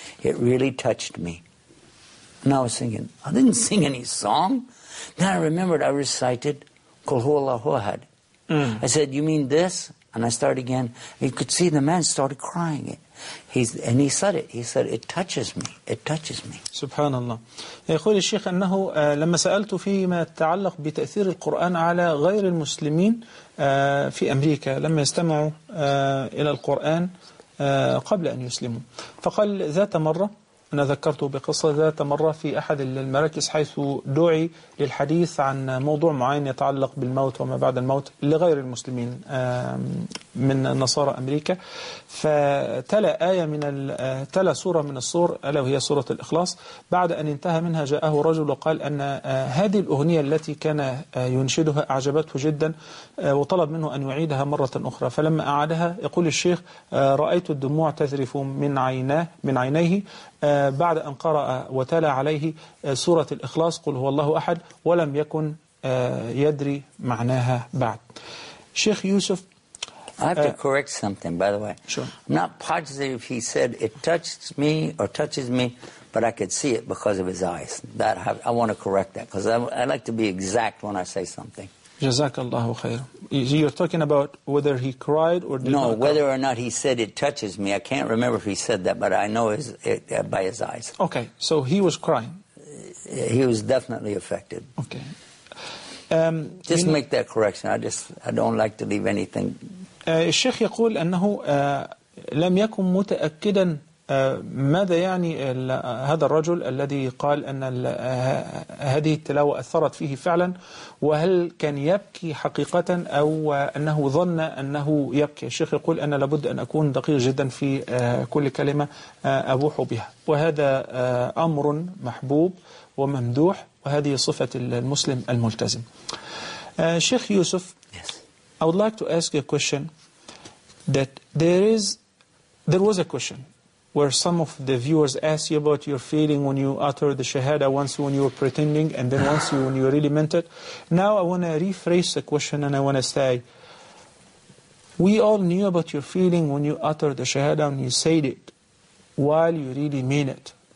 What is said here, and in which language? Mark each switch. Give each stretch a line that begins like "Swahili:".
English: It really touched me. And I was thinking, I didn't sing any song. Then I remembered I recited
Arabic: Qul huwa Allahu ahad.
English: I said, you mean this? And I started again. You could see the man started crying. He said it touches me. It touches me.
Arabic: Subhanallah. يقول الشيخ أنه لما سألت فيما يتعلق بتأثير القرآن على غير المسلمين في أمريكا لما يستمعوا إلى القرآن قبل أن يسلموا، فقال ذات مرة، أنا ذكرته بقصة، ذات مرة في أحد المراكز حيث دعي للحديث عن موضوع معين يتعلق بالموت وما بعد الموت لغير المسلمين من نصارى أمريكا، فتلى آية من تلى سورة من السور، ألا وهي سورة الإخلاص. بعد أن انتهى منها جاءه رجل وقال أن هذه الأغنية التي كان ينشدها أعجبته جدا وطلب منه أن يعيدها مرة أخرى. فلما أعادها يقول الشيخ رأيت الدموع تذرف من عينيه بعد أن قرأ وتلا عليه سورة الإخلاص قل هو الله أحد، ولم يكن يدري معناها بعد. شيخ يوسف،
English: I have to correct something, by the way. Sure. I'm not positive he said it touched me or touches me, but I could see it because of his eyes. That I want to correct that because I like to be exact when I say something.
Arabic: Jazakallahu khair.
English: You're talking about whether he cried or did no, not No, whether or not he said it touches me. I can't remember if he said that, but I know it by his eyes. Okay, so he was crying. He was definitely affected. Okay. Just make that correction. I don't like to leave anything
Arabic: الشيخ يقول أنه لم يكن متأكدا ماذا يعني هذا الرجل الذي قال أن هذه التلاوة أثرت فيه فعلا، وهل كان يبكي حقيقة أو أنه ظن أنه يبكي. الشيخ يقول أنا لابد أن أكون دقيق جدا في كل كلمة أبوح بها، وهذا أمر محبوب وممدوح، وهذه صفة المسلم الملتزم.
English: شيخ يوسف، I would like to ask you a question that there was a question where some of the viewers asked you about your feeling when you uttered the Shahada, once when you were pretending and then once when you really meant it. Now I want to rephrase the question and I want to say, we all knew about your feeling when you uttered the Shahada and you said it while you really mean it.